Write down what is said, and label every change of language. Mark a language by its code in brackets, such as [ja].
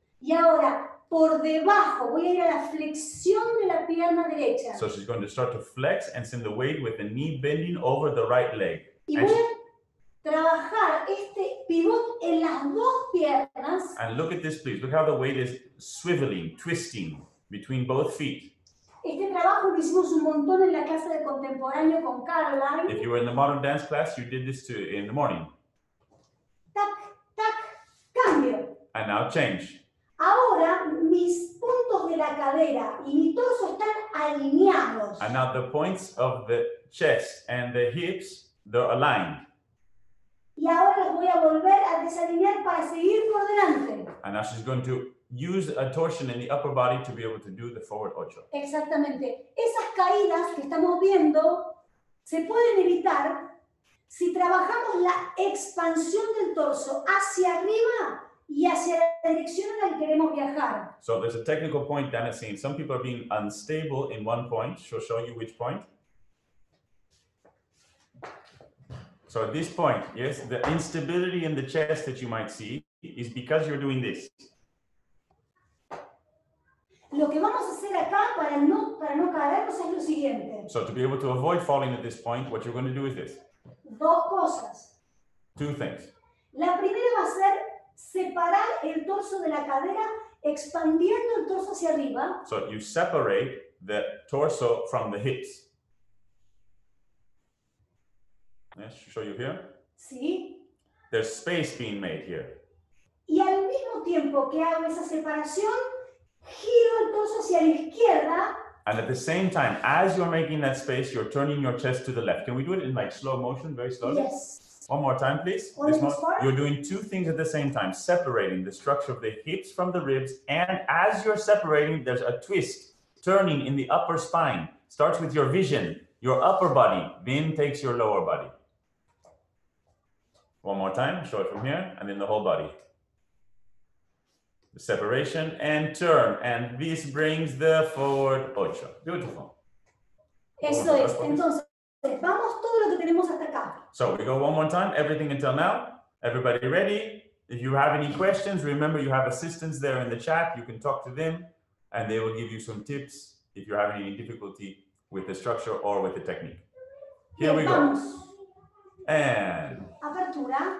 [es] Y ahora, por debajo, voy a ir a la flexión de la pierna derecha. [en] So she's going to start to flex and send the weight with the knee bending over the right leg. [es] Y voy a trabajar este pivot en las dos piernas. [en] And look at this, please. Look how the weight is swiveling, twisting between both feet. [es] Este trabajo lo hicimos un montón en la clase de contemporáneo con Caroline. [en] If you were in the modern dance class, you did this too in the morning. [es] Tac, tac, cambio. [en] And now change. [es] Ahora, mis puntos de la cadera y mi torso están alineados. [en] And now the points of the chest and the hips, they're aligned. [es] Y ahora los voy a volver a desalinear para seguir por delante. [en] And now she's going to use a torsion in the upper body to be able to do the forward ocho. [es] Exactamente. Esas caídas que estamos viendo se pueden evitar si trabajamos la expansión del torso hacia arriba y hacia la dirección en la que queremos viajar. [en] So there's a technical point that I've seen. Some people are being unstable in one point. She'll show you which point. So at this point, yes, the instability in the chest that you might see is because you're doing this. [es] Lo que vamos a hacer acá para no caernos es lo siguiente. [en] So to be able to avoid falling at this point, what you're going to do is this. [es] Dos cosas. [en] Two things. [es] La primera va a ser separar el torso de la cadera, expandiendo el torso hacia arriba. [en] So you separate the torso from the hips. Yes, show you here. [es] Sí. [en] There's space being made here. [es] Y al mismo tiempo que hago esa separación, giro el torso hacia la izquierda. [en] And at the same time, as you're making that space, you're turning your chest to the left. Can we do it in like slow motion, very slowly? Yes. One more time, please. You're doing two things at the same time, separating the structure of the hips from the ribs. And as you're separating, there's a twist, turning in the upper spine. Starts with your vision, your upper body, then takes your lower body. One more time, show it from here, and then the whole body. separation and turn, and this brings the forward 8. Beautiful. [es] Eso es. Entonces, vamos todo lo que tenemos hasta acá. [en] So we go one more time, everything until now. Everybody ready? If you have any questions, remember you have assistants there in the chat. You can talk to them and they will give you some tips if you're having any difficulty with the structure or with the technique. Here we go. [es] Vamos. [en] And [es] apertura.